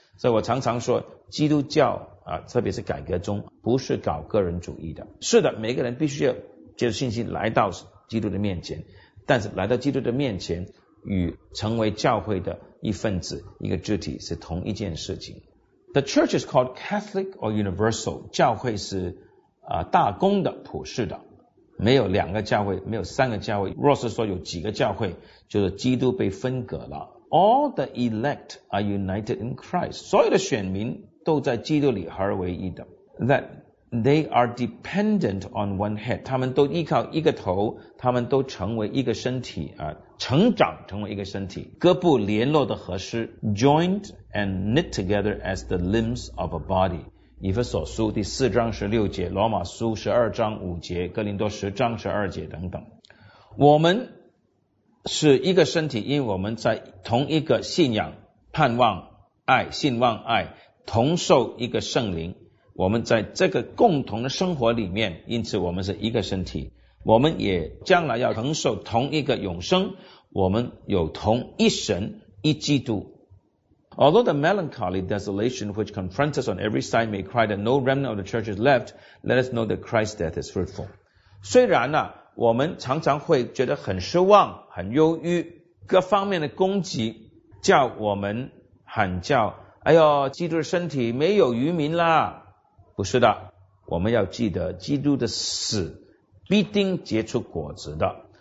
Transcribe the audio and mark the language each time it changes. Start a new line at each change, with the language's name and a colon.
Chinese: 所以我常常说基督教特别是改革中不是搞个人主义的，是的，每个人必须要接着信心来到基督的面前，但是来到基督的面前与成为教会的一份子一个肢体是同一件事情。
English: The church is called Catholic or Universal，
Chinese: 教会是大公的普世的。没有两个教会，没有三个教会。若是说有几个教会，就是基督被分隔了。
English: All the elect are united in Christ.
Chinese: 所有的选民都在基督里合而为一的。
English: That they are dependent on one head.
Chinese: 他们都依靠一个头，他们都成为一个身体，成长成为一个身体。各部联络的合适。
English: Joined and knit together as the limbs of a body.
Chinese: 以弗所书第四章十六节，罗马书十二章五节，哥林多十章十二节等等。我们是一个身体，因为我们在同一个信仰、盼望、爱、信望、爱，同受一个圣灵。我们在这个共同的生活里面，因此我们是一个身体。我们也将来要承受同一个永生，我们有同一神、一基督。
English: Although the melancholy desolation which confronts us on every side may cry that no remnant of the church is left, let us know that Christ's death is fruitful.
Chinese: 虽然啊，我们常常会觉得很失望、很忧郁，各方面的攻击叫我们喊叫，哎呦，基督的身体没有余民啦。不是的，我们要记得基督的死必定结出果子的。